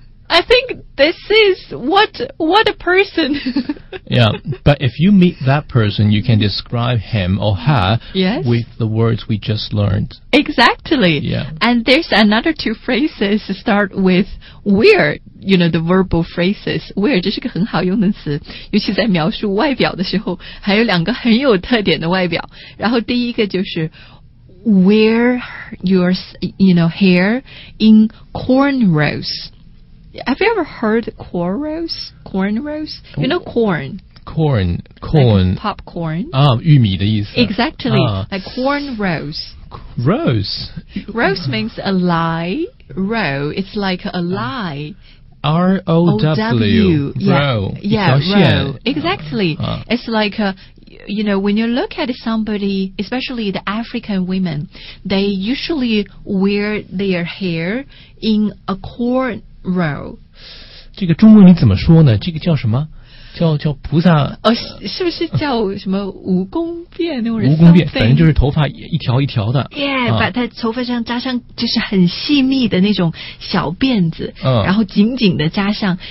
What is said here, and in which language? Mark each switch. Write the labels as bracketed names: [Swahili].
[English] I think this is what a person. Yeah, but if you meet that person, you can describe him or her, yes, with the words we just learned. Exactly. Yeah. And there's another two phrases to start with wear, you know, the verbal phrases. [Chinese] Wear就是个很好用的词, 尤其在描述外表的时候,还有两个很有特点的外表。然后第一个就是 [English] wear your, you know, hair in cornrows. Have you ever heard cornrows? Cornrows? You know corn? Corn. Corn. Like popcorn. [Chinese] Ah, 玉米的意思. [English] Exactly. Like cornrows. Rose. Rose means a lie. Row. It's like a lie. R-O-W. Row. Yeah, row. Exactly. It's like, you know, when you look at somebody, especially the African women, they usually wear their hair in a corn row. [Chinese] 这个中文你怎么说呢？这个叫什么？叫菩萨是不是叫什么蜈蚣辫那种人？蜈蚣辫，反正就是头发一条一条的。 Yeah, 把他头发上扎上就是很细密的那种小辫子，然后紧紧的扎上。